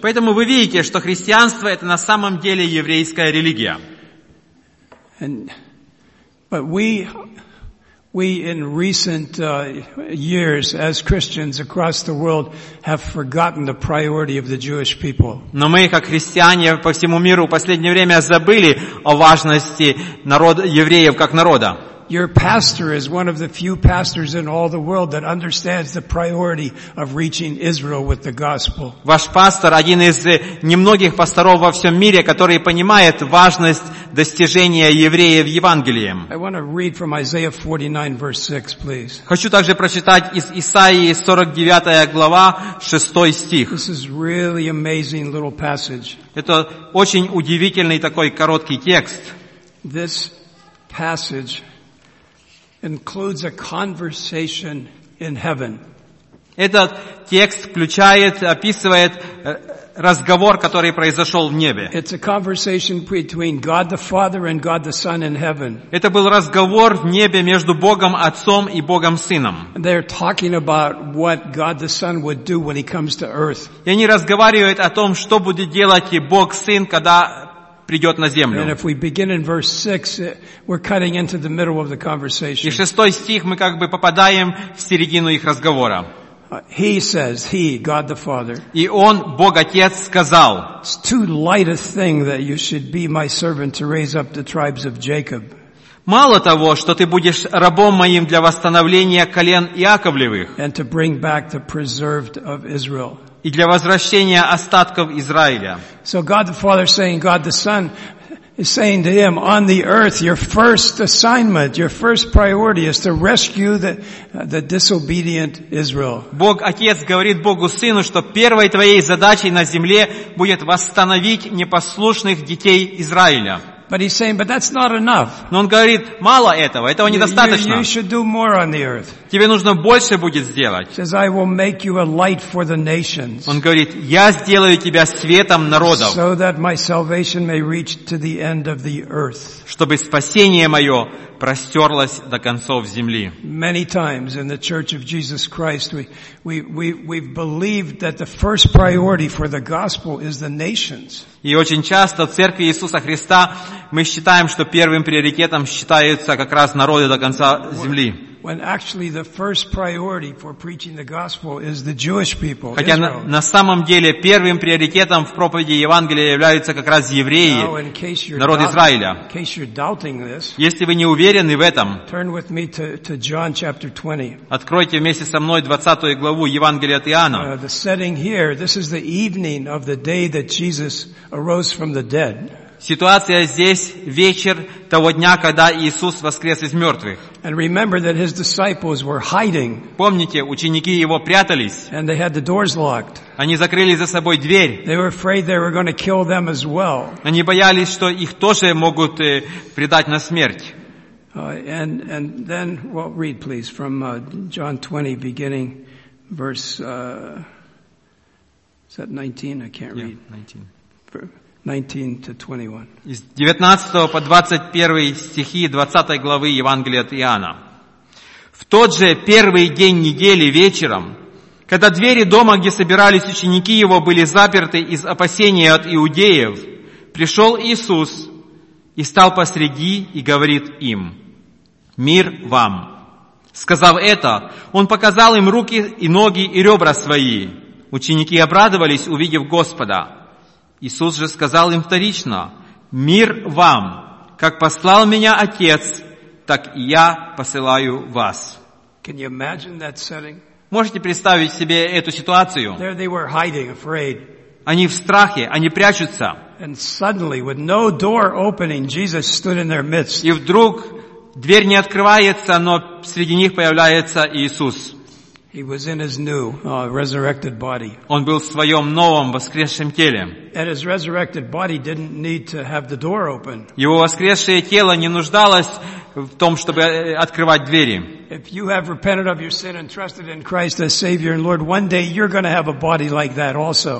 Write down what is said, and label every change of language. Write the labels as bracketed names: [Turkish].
[Russian] Поэтому вы видите, что христианство это на самом деле еврейская религия. [English] But We in recent years as Christians across the world have forgotten the priority of the Jewish people. [Russian] Но мы, как христиане по всему миру, в последнее время забыли о важности народа евреев как народа. [English] Your pastor is one of the few pastors in all the world that understands the priority of reaching Israel with the gospel. [Russian] Ваш пастор один из немногих пасторов во всем мире, который понимает важность достижения евреев Евангелием. [English] I want to read from Isaiah 49 verse 6, please. [Russian] Хочу также прочитать из Исаии 49 глава, 6 стих. [English] This is really amazing little passage. [Russian] Это очень удивительный такой короткий текст. [English] This passage includes a conversation in heaven. [Russian] Этот текст включает, описывает разговор, который произошел в небе. [English] It's a conversation between God the Father and God the Son in heaven. [Russian] Это был разговор в небе между Богом Отцом и Богом Сыном. [English] They're talking about what God the Son would do when he comes to earth. [Russian] И они разговаривают о том, что будет делать и Бог Сын, когда придет на землю. [English] And if we begin in verse 6, we're cutting into the middle of the conversation. [Russian] И шестой стих мы как бы попадаем в середину их разговора. [English] He says, he, God the Father. [Russian] И он, Бог Отец, сказал. [English] It's too light a thing that you should be my servant to raise up the tribes of Jacob. [Russian] Мало того, что ты будешь рабом моим для восстановления колен Иаковлевых. [English] And to bring back the preserved of Israel. [Russian] И для возвращения остатков Израиля. [English] So God the Father saying, God the Son is saying to him, on the earth, your first assignment, your first priority is to rescue the disobedient Israel. [Russian] Бог Отец говорит Богу Сыну, что первой твоей задачей на земле будет восстановить непослушных детей Израиля. [English] But he's saying, but that's not enough. [Russian] Но он говорит, мало этого, этого недостаточно. [English] You should do more on the earth. [Russian] Тебе нужно больше будет сделать. [English] Says, I will make you a light for the nations. [Russian] Он говорит, я сделаю тебя светом народов. [English] So that my salvation may reach to the end of the earth. [Russian] Чтобы спасение мое простерлось до концов земли. [English] Many times in the Church of Jesus Christ we've believed that the first priority for the gospel is the nations. [Russian] И очень часто в Церкви Иисуса Христа мы считаем, что первым приоритетом считаются как раз народы до конца земли. [English] When actually the first priority for preaching the gospel is the Jewish people. [Russian] Хотя на самом деле первым приоритетом в проповеди Евангелия являются как раз евреи, народ Израиля. [English] In case you're doubting this, [Russian] если вы не уверены в этом, [English] turn with me to John chapter 20. [Russian] Откройте вместе со мной 20 главу Евангелия от Иоанна. [English] The setting here, this is the evening of the day that Jesus arose from the dead. [Russian] Ситуация здесь вечер того дня, когда Иисус воскрес из мертвых. [English] And remember that his disciples were hiding. [Russian] Помните, ученики его прятались. [English] And they had the doors locked. [Russian] Они закрыли за собой дверь. [English] They were afraid they were going to kill them as well. [Russian] Они боялись, что их тоже могут предать на смерть. [English] And then, well, read, please, from John 20, beginning verse, is that 19? I can't read. Yeah, 19. 19-21. [Russian] Из 19 по 21 стихи 20 главы Евангелия от Иоанна. В тот же первый день недели вечером, когда двери дома, где собирались ученики его, были заперты из опасения от иудеев, пришел Иисус и стал посреди и говорит им: «Мир вам!» Сказав это, он показал им руки и ноги и ребра свои. Ученики обрадовались, увидев Господа. Иисус же сказал им вторично: «Мир вам! Как послал меня Отец, так и я посылаю вас». [English] Can you imagine that setting? [Russian] Можете представить себе эту ситуацию? [English] There they were hiding, afraid. [Russian] Они в страхе, они прячутся. [English] And suddenly, with no door opening, Jesus stood in their midst. [Russian] И вдруг дверь не открывается, но среди них появляется Иисус. [English] He was in his new resurrected body. [Russian] Он был в своем новом воскресшем теле. [English] And his resurrected body didn't need to have the door open. [Russian] Его воскресшее тело не нуждалось в том, чтобы открывать двери. [English] If you have repented of your sin and trusted in Christ as Savior and Lord, one day you're going to have a body like that also.